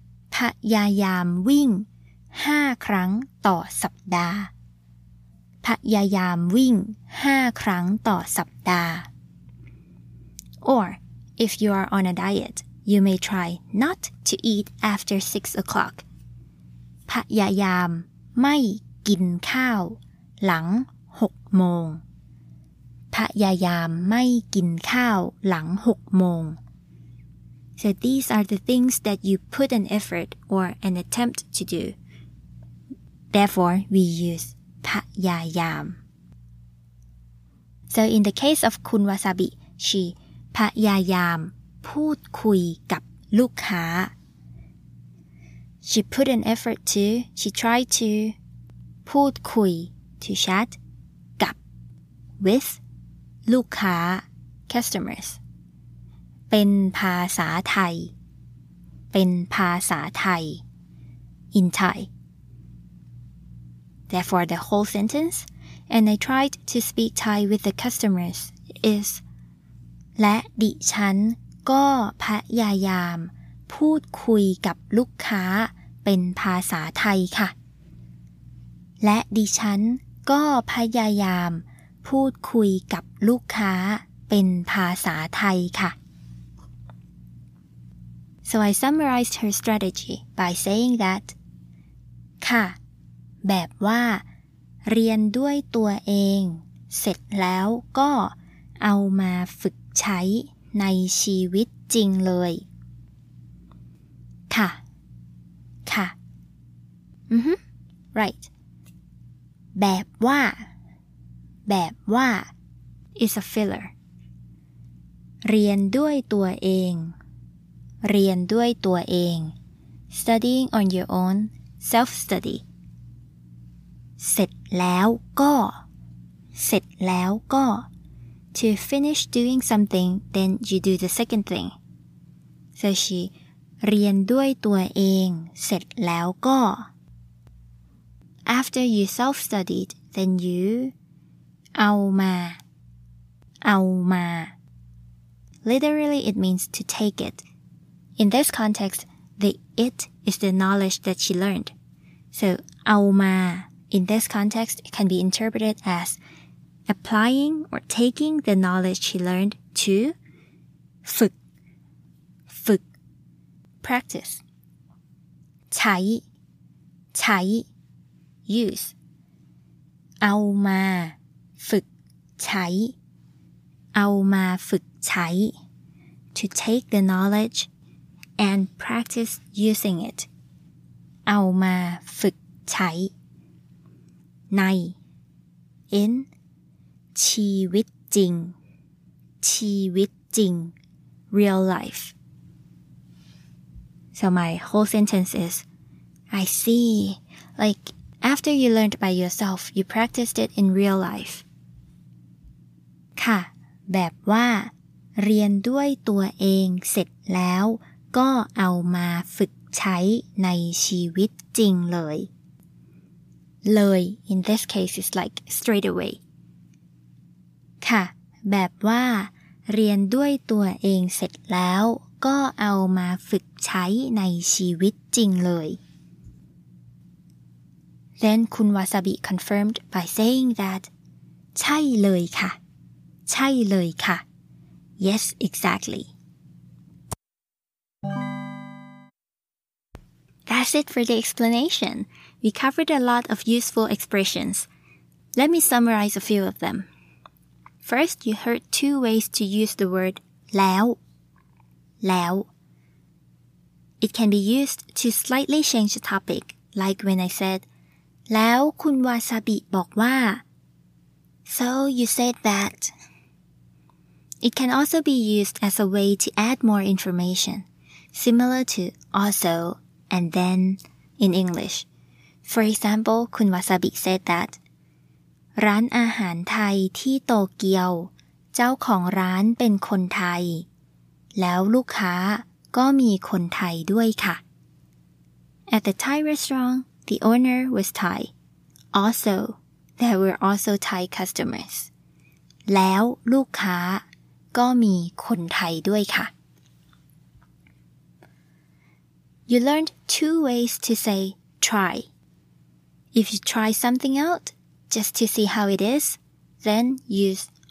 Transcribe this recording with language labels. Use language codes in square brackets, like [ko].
[th] Payayam wing 5ครั้งต่อสัปดาห์ [en] Payayam wing 5ครั้งต่อสัปดาห์ Or, if you are on a diet, you may try not to eat after 6 o'clock. [th] พยายาม ไม่กินข้าวหลังหกโมงพยายามไม่กินข้าวหลังหกโมง [en] So these are the things that you put an effort or an attempt to do. Therefore, we use pyayam. So in the case of Kun Wasabi, she [th] pyayam pud kui gap lukha. [en] She put an effort to, she tried to pud kui, to chat, gap, with lukha, customers. [th] เป็นภาษาไทยเป็นภาษาไทย [en] in Thai therefore the whole sentence and I tried to speak Thai with the customers is [th] และดิฉันก็พยายามพูดคุยกับลูกค้าเป็นภาษาไทยค่ะและดิฉันก็พยายามพูดคุยกับลูกค้าเป็นภาษาไทยค่ะ [en] So I summarized her strategy by saying that [th] ค่ะแบบว่าเรียนด้วยตัวเองเสร็จแล้วก็เอามาฝึกใช้ในชีวิตจริงเลย ค่ะ ค่ะ อือฮึ right แบบว่าแบบว่า [en] is a filler [th] เรียนด้วยตัวเองเรียนด้วยตัวเอง [en] studying on your own self study [th] เสร็จแล้วก็เสร็จแล้วก็ [en] to finish doing something then you do the second thing so she [th] เรียนด้วยตัวเองเสร็จแล้วก็ [en] after you self studied then you [th] เอามาเอามา [en] literally it means to take itIn this context, the it is the knowledge that she learned. So, [th] เอามา [en] in this context, it can be interpreted as applying or taking the knowledge she learned to [th] ฝึก ฝึก practice ใช้ใช้ [en] use [th] เอามาฝึกใช้เอามาฝึกใช้ [en] to take the knowledgeAnd practice using it. [th] เอามาฝึกใช้ใน [en] in [th] ชีวิตจริงชีวิตจริง [en] real life. So my whole sentence is, I see. Like, after you learned by yourself, you practiced it in real life. [th] ค่ะแบบว่าเรียนด้วยตัวเองเสร็จแล้วก็เอามาฝึกใช้ในชีวิตจริงเลย [en] เลย in this case is like straight away [th] ค่ะแบบว่าเรียนด้วยตัวเองเสร็จแล้วก็เอามาฝึกใช้ในชีวิตจริงเลย [en] Then Kun Wasabi confirmed by saying that [th] ใช่เลยค่ะใช่เลยค่ะ [en] Yes exactlyThat's it for the explanation. We covered a lot of useful expressions. Let me summarize a few of them. First, you heard two ways to use the word [th] แล้ว แล้ว [en] It can be used to slightly change the topic, like when I said, [th] แล้วคุณวาซาบิบอกว่า [en] So you said that. It can also be used as a way to add more information, similar to also,And then, in English, for example, คุณวาซาบิ said that [th] ร้านอาหารไทยที่โตเกียวเจ้าของร้านเป็นคนไทยแล้วลูกค้าก็มีคนไทยด้วยค่ะ [en] At the Thai restaurant, the owner was Thai. Also, there were also Thai customers. [th] แล้วลูกค้าก็มีคนไทยด้วยค่ะ [en] You learned two ways to say try. If you try something out, just to see how it is, then use